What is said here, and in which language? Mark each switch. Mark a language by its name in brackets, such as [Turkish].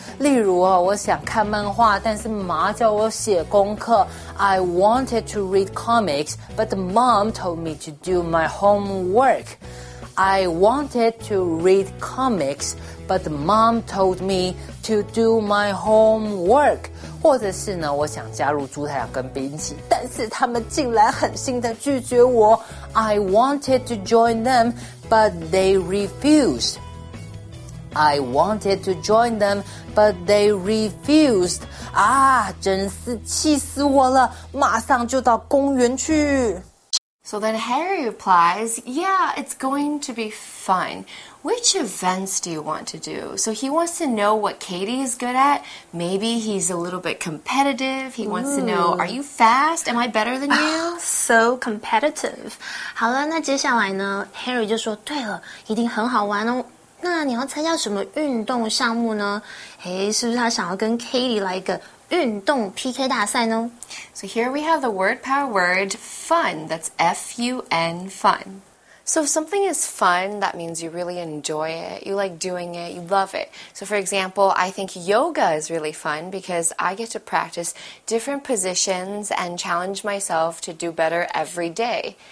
[Chinese] 例如哦我想看漫画但是妈叫我写功课 [English] I wanted to read comics but mom told me to do my homework I wanted to read comics but mom told meTo do my homework. [Chinese] 或者是呢我想加入猪太郎跟冰淇但是他们竟然狠心地拒绝我。 [English] I wanted to join them, but they refused. I wanted to join them, but they refused. [Chinese] 啊，真是气死我了，马上就到公园去。 [English] So then Harry replies, yeah, it's going to be fun. Which events do you want to do? So he wants to know what Katie is good at. Maybe he's a little bit competitive. He wants to know, are you fast? Am I better than you? So competitive. [Chinese] 好了，那接下来呢 ,Harry 就说对了，一定很好玩哦。那你要参加什么运动项目呢？诶，是不是他想要跟 Katie 来一个运动 PK 大赛呢？ [English] So here we have the word power word fun. That's F-U-N, fun. So if something is fun, that means you really enjoy it. You like doing it. You love it. So for example, I think yoga is really fun because I get to practice different positions and challenge myself to do better every day.